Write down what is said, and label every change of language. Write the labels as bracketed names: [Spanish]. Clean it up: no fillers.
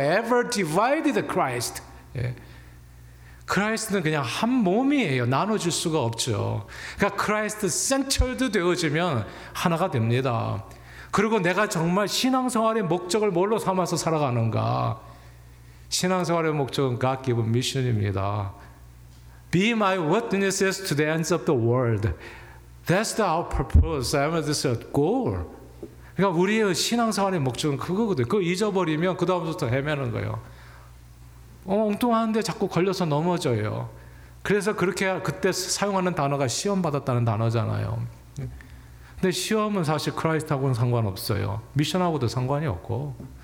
[English] Ever divided Christ. 예. [Korean] 크라이스트는 그냥 한 몸이에요. 나눠질 수가 없죠. 그러니까 크라이스트 센터드 되어지면 하나가 됩니다. 그리고 내가 정말 신앙생활의 목적을 뭘로 삼아서 살아가는가. 신앙생활의 목적은 [English] God given mission [Korean] 입니다. [English] Be my witnesses to the ends of the world. That's our purpose. I mean, this is a goal. [Korean] 그러니까 우리의 신앙생활의 목적은 그거거든요. 그거 잊어버리면 그 다음부터 헤매는 거예요. 엉뚱한데 자꾸 걸려서 넘어져요. 그래서 그렇게 그때 사용하는 단어가 시험 받았다는 단어잖아요. 근데 시험은 사실 크라이스트하고는 상관없어요. 미션하고도 상관이 없고.